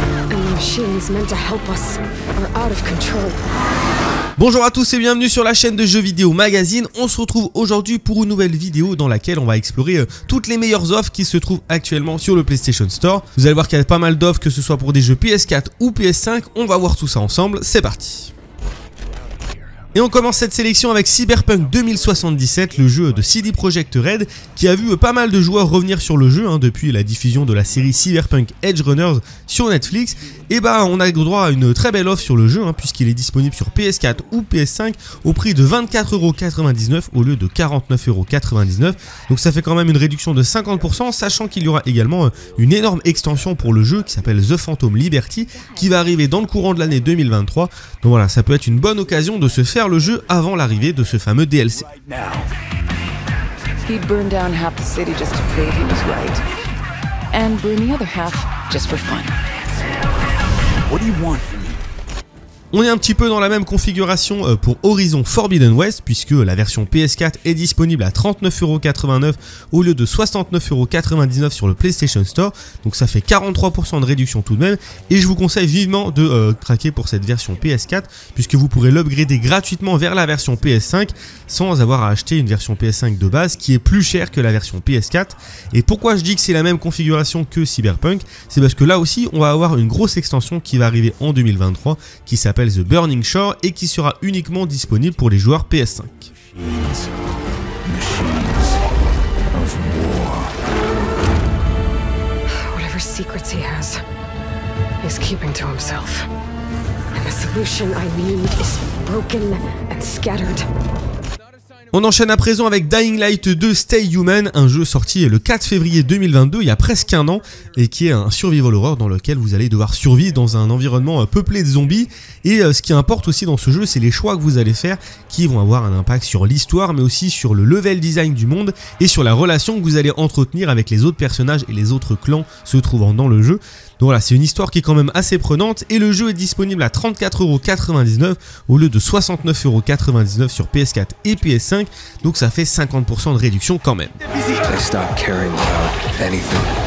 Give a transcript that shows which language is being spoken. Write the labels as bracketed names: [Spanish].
[English] And the machines meant to help us are out of control. [French] Bonjour à tous et bienvenue sur la chaîne de Jeux Vidéo Magazine. On se retrouve aujourd'hui pour une nouvelle vidéo dans laquelle on va explorer toutes les meilleures offres qui se trouvent actuellement sur le PlayStation Store. Vous allez voir qu'il y a pas mal d'offres, que ce soit pour des jeux PS4 ou PS5. On va voir tout ça ensemble, c'est parti. Et on commence cette sélection avec Cyberpunk 2077, le jeu de CD Projekt Red, qui a vu pas mal de joueurs revenir sur le jeu depuis la diffusion de la série Cyberpunk Edge Runners sur Netflix. Et on a droit à une très belle offre sur le jeu, puisqu'il est disponible sur PS4 ou PS5 au prix de 24,99€ au lieu de 49,99€. Donc ça fait quand même une réduction de 50%, sachant qu'il y aura également une énorme extension pour le jeu qui s'appelle The Phantom Liberty, qui va arriver dans le courant de l'année 2023. Donc voilà, ça peut être une bonne occasion de se faire le jeu avant l'arrivée de ce fameux DLC. [English] He burned down half the city just to prove he was right. And burned the other half just for fun. What do you want? [French] On est un petit peu dans la même configuration pour Horizon Forbidden West, puisque la version PS4 est disponible à 39,89€ au lieu de 69,99€ sur le PlayStation Store, donc ça fait 43% de réduction tout de même, et je vous conseille vivement de craquer pour cette version PS4, puisque vous pourrez l'upgrader gratuitement vers la version PS5 sans avoir à acheter une version PS5 de base qui est plus chère que la version PS4. Et pourquoi je dis que c'est la même configuration que Cyberpunk? C'est parce que là aussi on va avoir une grosse extension qui va arriver en 2023, qui s'appelle The Burning Shore et qui sera uniquement disponible pour les joueurs PS5. [English] Machines of war. Whatever secrets he has, he's keeping to himself. And the solution I need is broken and scattered. [French] On enchaîne à présent avec Dying Light 2 Stay Human, un jeu sorti le 4 février 2022, il y a presque un an, et qui est un survival horror dans lequel vous allez devoir survivre dans un environnement peuplé de zombies. Et ce qui importe aussi dans ce jeu, c'est les choix que vous allez faire qui vont avoir un impact sur l'histoire, mais aussi sur le level design du monde et sur la relation que vous allez entretenir avec les autres personnages et les autres clans se trouvant dans le jeu. Donc voilà, c'est une histoire qui est quand même assez prenante, et le jeu est disponible à 34,99€ au lieu de 69,99€ sur PS4 et PS5, donc ça fait 50% de réduction quand même. [English] I stopped caring about anything.